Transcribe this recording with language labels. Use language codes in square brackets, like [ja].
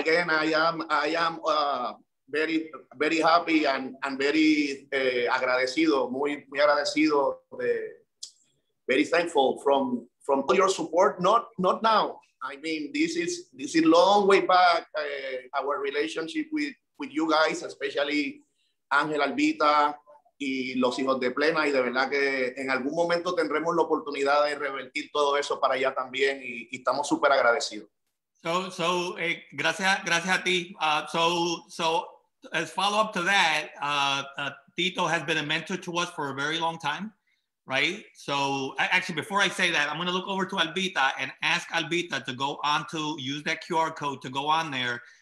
[en] Again, I am very, very happy and very [es] agradecido, muy, muy agradecido, [en] very thankful from all your support, not now. I mean, this is long way back, our relationship with you guys, especially Angel Albita, [es] y los hijos de Plena, y de verdad que en algún momento tendremos la oportunidad de revertir todo eso para allá también, y estamos súper agradecidos. Gracias a ti. [en] So as follow up to that, Tito has been a mentor to us for a very long time, right? So actually, before I say that, I'm going to look over to Albita and ask Albita to go on to use that QR code to go on there.